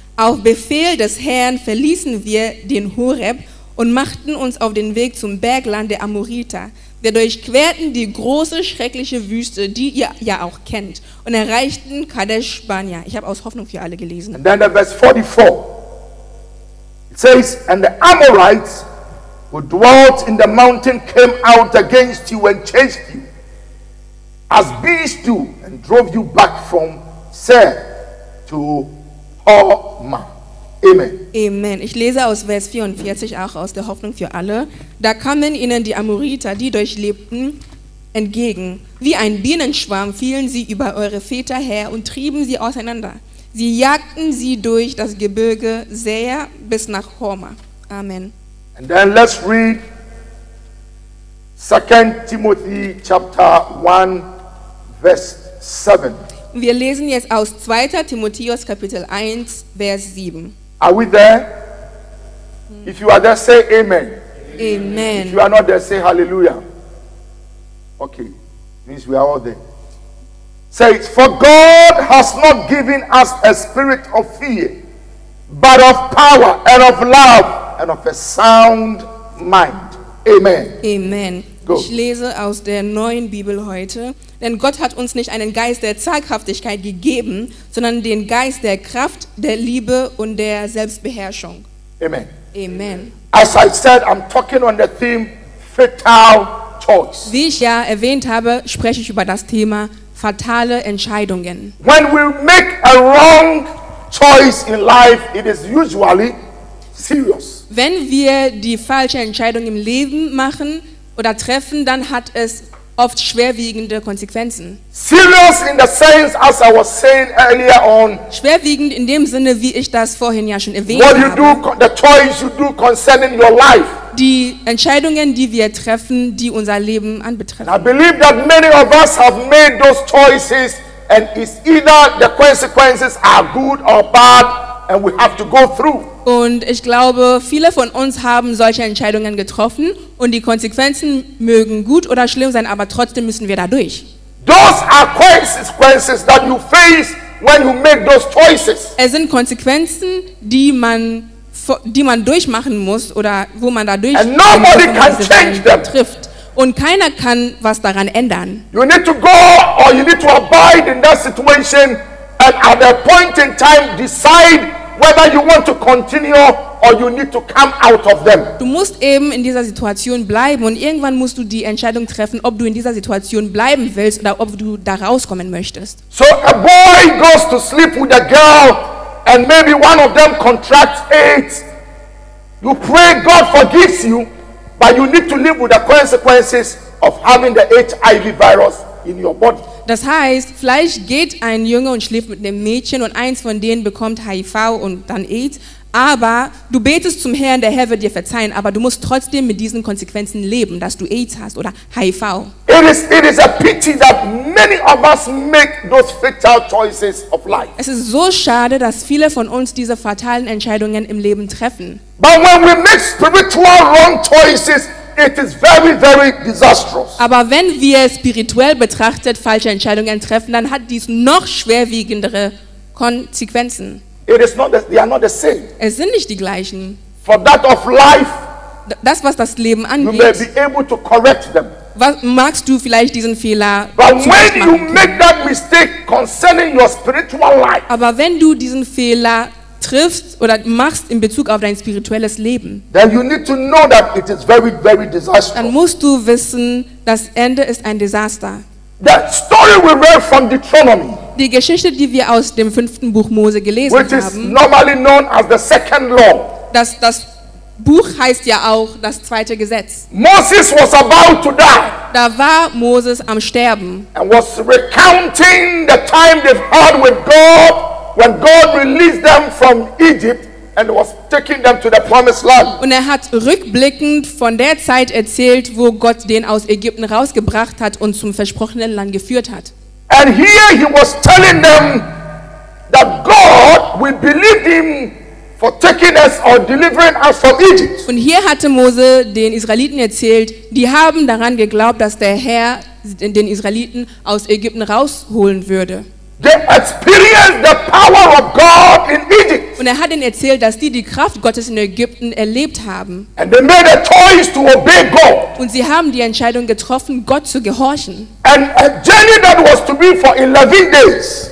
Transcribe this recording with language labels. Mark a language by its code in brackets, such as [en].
[de] Auf Befehl des Herrn verließen wir den Horeb und machten uns auf den Weg zum Bergland der Amoriter. Wir durchquerten die große, schreckliche Wüste, die ihr ja auch kennt, und erreichten Kadesh Barnea. Ich habe aus Hoffnung für alle gelesen. [en] And then the verse 44. It says, and the Amorites who dwelt in the mountain came out against you and chased you as beasts do and drove you back from Seir to Hormah. Amen. Amen. [de] Ich lese aus Vers 44 auch aus der Hoffnung für alle. Da kamen ihnen die Amoriter, die dort lebten, entgegen. Wie ein Bienenschwarm fielen sie über eure Väter her und trieben sie auseinander. Sie jagten sie durch das Gebirge Seir bis nach Hormah. Amen. [en] And then let's read 2 Timothy chapter 1 verse 7. [de] Wir lesen jetzt aus 2. Timotheus Kapitel 1 Vers 7. [en] Are we there? If you are there, say amen. Amen. If you are not there, say hallelujah. Okay. Means we are all there. Say, for God has not given us a spirit of fear, but of power and of love and of a sound mind. Amen. Amen. Go. [de] Ich lese aus der neuen Bibel heute. Denn Gott hat uns nicht einen Geist der Zaghaftigkeit gegeben, sondern den Geist der Kraft, der Liebe und der Selbstbeherrschung. Amen. Amen. [en] As I said, I'm talking on the theme fatal choice. [de] Wie ich ja erwähnt habe, spreche ich über das Thema fatale Entscheidungen. [en] When we make a wrong choice in life, it is usually serious. [de] Wenn wir die falsche Entscheidung im Leben machen oder treffen, dann hat es oft schwerwiegende Konsequenzen. [en] Serious in the sense, as I was saying earlier on. [de] Schwerwiegend in dem Sinne, wie ich das vorhin ja schon erwähnt [en] what you [de] habe. [en] Do, the choice you do concerning your life. [de] Die Entscheidungen, die wir treffen, die unser Leben anbetreffen. [en] I believe that many of us have made those choices and it's either the consequences are good or bad and we have to go through. [de] Und ich glaube, viele von uns haben solche Entscheidungen getroffen und die Konsequenzen mögen gut oder schlimm sein, aber trotzdem müssen wir da durch. [en] Those are consequences that you face when you make those choices. [de] Es sind Konsequenzen, die man durchmachen muss oder wo man da durch. [en] And nobody can change them. [de] Trifft. Und keiner kann was daran ändern. [en] You need to go or you need to abide in that situation and at a point in time decide whether you want to continue or you need to come out of them. [de] Du musst eben in dieser Situation bleiben und irgendwann musst du die Entscheidung treffen, ob du in dieser Situation bleiben willst oder ob du da rauskommen möchtest. [en] So a boy goes to sleep with a girl and maybe one of them contracts AIDS. You pray God forgives you, but you need to live with the consequences of having the HIV virus in your body. [de] Das heißt, vielleicht geht ein Junge und schläft mit einem Mädchen und eins von denen bekommt HIV und dann AIDS. Aber du betest zum Herrn, der Herr wird dir verzeihen, aber du musst trotzdem mit diesen Konsequenzen leben, dass du AIDS hast oder HIV. [en] It is a pity that many of us make those fatal choices of life. [de] Es ist so schade, dass viele von uns diese fatalen Entscheidungen im Leben treffen. [en] But when we make spiritual wrong choices, it is very, very disastrous. [de] Aber wenn wir spirituell betrachtet falsche Entscheidungen treffen, dann hat dies noch schwerwiegendere Konsequenzen. [en] It is not the, they are not the same. [de] Es sind nicht die gleichen. [en] For that of life [de] das, was das Leben angeht, [en] you may be able to correct them. [de] Was, magst du vielleicht diesen Fehler? [en] But when you make that mistake concerning your spiritual life, [de] aber wenn du diesen Fehler triffst oder machst in Bezug auf dein spirituelles Leben, [en] then you need to know that it is very, very disastrous. [de] Dann musst du wissen, das Ende ist ein Desaster. [en] The story we read from Deuteronomy, [de] die Geschichte, die wir aus dem 5. Buch Mose gelesen [en] which [de] haben, [en] is normally known as the second law, [de] das Buch heißt ja auch das zweite Gesetz. [en] Moses was about to die. [de] Da war Moses am Sterben. [en] And was recounting the time they've had with God when God released them from Egypt and was taking them to the promised land. [de] Und hat rückblickend von der Zeit erzählt, wo Gott den aus Ägypten rausgebracht hat und zum versprochenen Land geführt hat. [en] And here he was telling them that God, we believed him for taking us or delivering us from Egypt. [de] Und hier hatte Mose den Israeliten erzählt, die haben daran geglaubt, dass der Herr den Israeliten aus Ägypten rausholen würde. [en] They experienced the power of God in Egypt. [de] Und hat ihnen erzählt, dass die Kraft Gottes in Ägypten erlebt haben. [en] And they made a choice to obey God. [de] Und sie haben die Entscheidung getroffen, Gott zu gehorchen. [en] And a journey that was to be for 11 days.